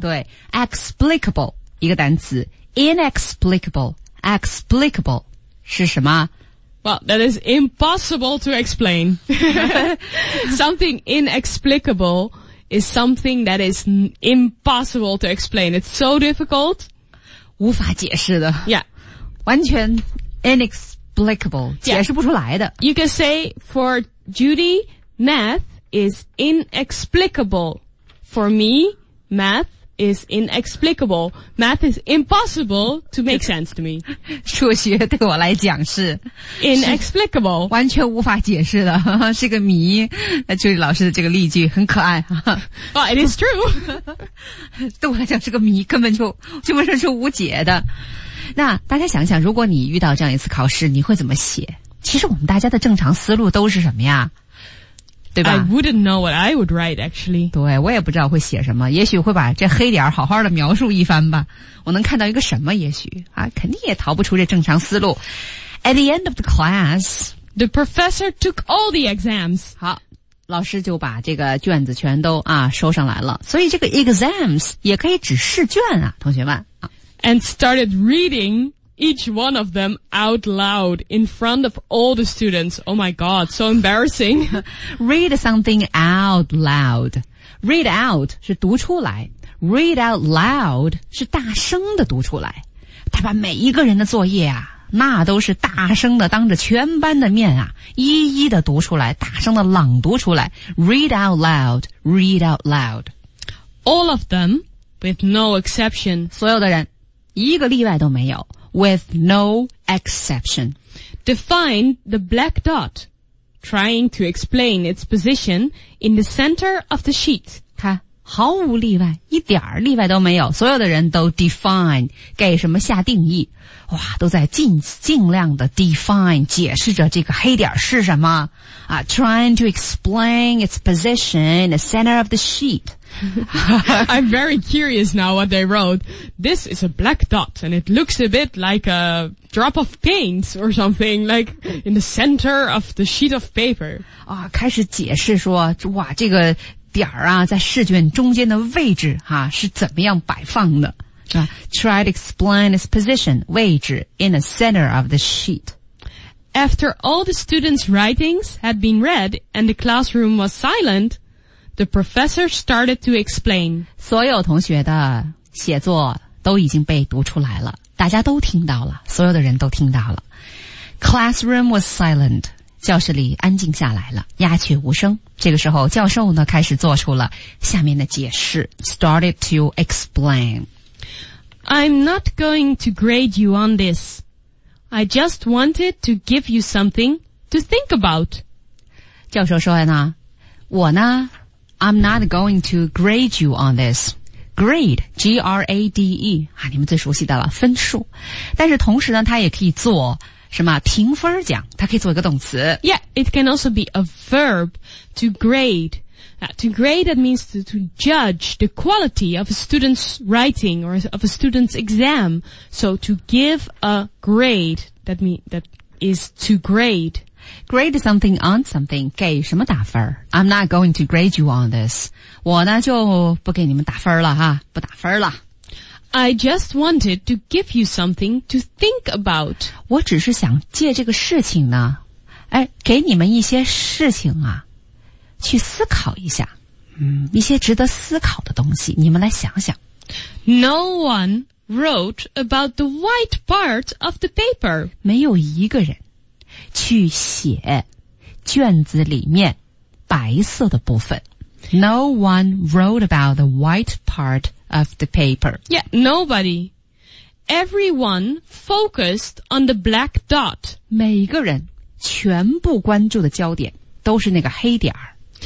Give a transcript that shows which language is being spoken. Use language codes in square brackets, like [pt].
[zh] 对 ,explicable, 一个单词 ,inexplicable,explicable, 是什么 [en] ?Well, that is impossible to explain. Something inexplicable is something that is impossible to explain. It's so difficult. [zh] 无法解释的。 [en] Yeah. [zh] 完全 inexplicable, 解释不出来的。 [en] Yeah. You can say, for Judy, math is inexplicable. For me, math is inexplicable. Math is impossible to make sense to me. [zh] 数学对我来讲是 [en] inexplicable, [zh] 完全无法解释的，是个谜。朱莉老师的这个例句很可爱。 [en] Well, it is true. [zh] 对我来讲是个谜，根本就基本上是无解的。那大家想想，如果你遇到这样一次考试，你会怎么写？其实我们大家的正常思路都是什么呀？对吧? [en] I wouldn't know what I would write, actually. [zh] 对，我也不知道会写什么，也许会把这黑点好好的描述一番吧。我能看到一个什么，也许啊，肯定也逃不出这正常思路。 [en] At the end of the class, the professor took all the exams. [zh] 好，老师就把这个卷子全都啊收上来了。所以这个 exams 也可以指试卷啊，同学们。啊、 [en] And started reading. Each one of them out loud in front of all the students. Oh my god, so embarrassing. Read something out loud. Read out [zh] 是读出来。 [en] Read out loud [zh] 是大声的读出来。他把每一个人的作业啊，那都是大声的当着全班的面啊，一一的读出来，大声的朗读出来。 [en] Read out loud, read out loud. All of them, with no exception. [zh] 所有的人，一个例外都没有。 [en] With no exception. Define the black dot, trying to explain its position in the center of the sheet. [zh] 看，毫无例外，一点儿例外都没有，所有的人都 define, 给什么下定义。哇，都在尽量的 define, 解释着这个黑点是什么。 [en] 啊、trying to explain its position in the center of the sheet. I'm very curious now what they wrote. This is a black dot and it looks a bit like a drop of paint or something, like in the center of the sheet of paper. [zh] 啊，开始解释说，哇，这个点儿啊，在试卷中间的位置哈、啊、是怎么样摆放的。 [en] Try to explain its position, 位置 in the center of the sheet. After all the students' writings had been read and the classroom was silent,The professor started to explain. [zh] 所有同学的写作都已经被读出来了，大家都听到了，所有的人都听到了。 [en] Classroom was silent. [zh] 教室里安静下来了，鸦雀无声。这个时候教授呢开始做出了下面的解释。 [en] Started to explain. I'm not going to grade you on this. I just wanted to give you something to think about. [zh] 教授说呢，我呢 [en] I'm not going to grade you on this. [zh] Grade, G-R-A-D-E, 啊，你们最熟悉的了，分数。但是同时呢，它也可以做什么评分奖，它可以做一个动词。 [en] Yeah, it can also be a verb to grade. To grade, that means to judge the quality of a student's writing or of a student's exam. So to give a grade, that is to grade. Grade something on something, [zh] 给什么打分 [en] I'm not going to grade you on this. [zh] 我呢就不给你们打分了哈，不打分了。 [en] I just wanted to give you something to think about. [zh] 我只是想借这个事情呢，哎，给你们一些事情啊，去思考一下，嗯，一些值得思考的东西，你们来想想。 [en] No one wrote about the white part of the paper. [zh] 没有一个人去写卷子里面白色的部分。 [en] No one wrote about the white part of the paper. Yeah, nobody. Everyone focused on the black dot. [zh] 每个人全部关注的焦点都是那个黑点儿。